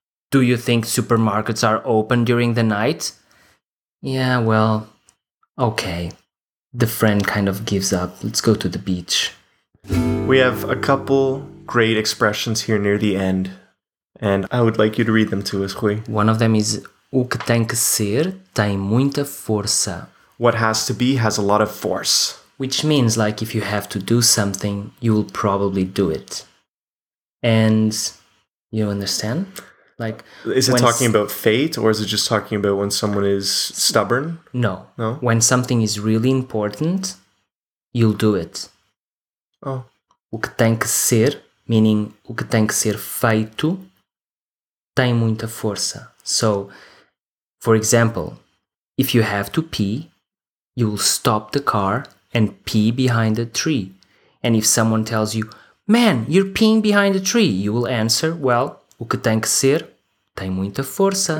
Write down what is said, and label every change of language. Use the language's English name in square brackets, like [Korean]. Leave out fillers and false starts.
[English] Do you think supermarkets are open during the night? Yeah, well, okay. The friend kind of gives up. Let's go to the beach. We have a couple great expressions here near the end. And I would like you to read them to us, Rui. One of them is, [Portuguese] o que tem que ser tem muita força. [English] What has to be has a lot of force. Which means, like, if you have to do something, you'll probably do it. And you understand? Like, is it talking about fate, or is it just talking about when someone is stubborn? No. No? When something is really important, you'll do it. Oh. [Portuguese] O que tem que ser, meaning o que tem que ser feito, tem muita força. [English] So, for example, if you have to pee, you'll stop the car and pee behind a tree. And if someone tells you, man, you're peeing behind a tree, you will answer, well, [Portuguese] o que tem que ser tem muita força.